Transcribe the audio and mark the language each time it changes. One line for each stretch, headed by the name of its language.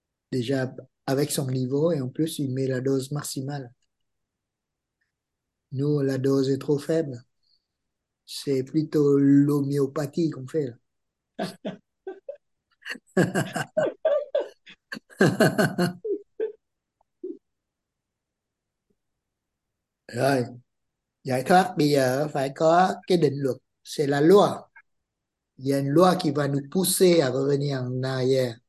French: Déjà avec son niveau, et en plus, il met la dose maximale. Nous, la dose est trop faible. C'est plutôt l'homéopathie qu'on fait là.
Vietnamese: Rồi, giải thoát bây giờ phải có cái định luật,
French: c'est la loi. Il y a une loi qui va nous pousser à revenir en arrière.